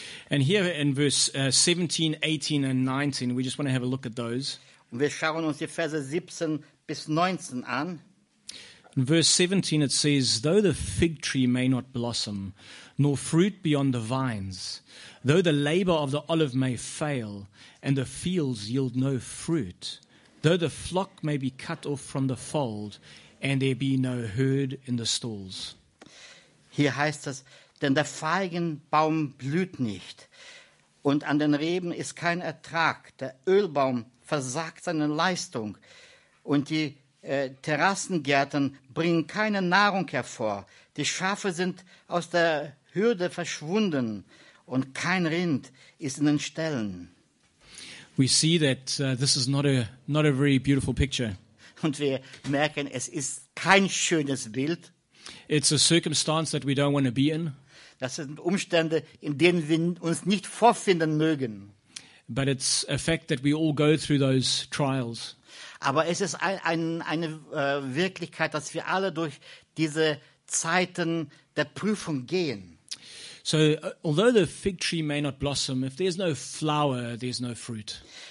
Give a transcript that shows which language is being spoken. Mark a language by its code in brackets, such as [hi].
[en] And here in verse 17, 18 and 19, we just want to have a look at those. [de] Und wir schauen uns die Verse 17 bis 19 an. [en] In verse 17 it says, though the fig tree may not blossom, nor fruit be on the vines, though the labor of the olive may fail, and the fields yield no fruit, though the flock may be cut off from the fold, and there be no herd in the stalls. [de] Hier heißt es, denn der Feigenbaum blüht nicht, und an den Reben ist kein Ertrag, der Ölbaum versagt seine Leistung, und die Terrassengärten bringen keine Nahrung hervor. Die Schafe sind aus der Hürde verschwunden und kein Rind ist in den Ställen. [en] We see that this is not a very beautiful picture. [de] Und wir merken, es ist kein schönes Bild. [en] It's a circumstance that we don't want to be in. [de] Das sind Umstände, in denen wir uns nicht vorfinden mögen. [en] But it's a fact that we all go through those trials. [de] Aber es ist eine Wirklichkeit, dass wir alle durch diese Zeiten der Prüfung gehen. [en] So, although the fig tree may not blossom, if there's no flower, there's no fruit.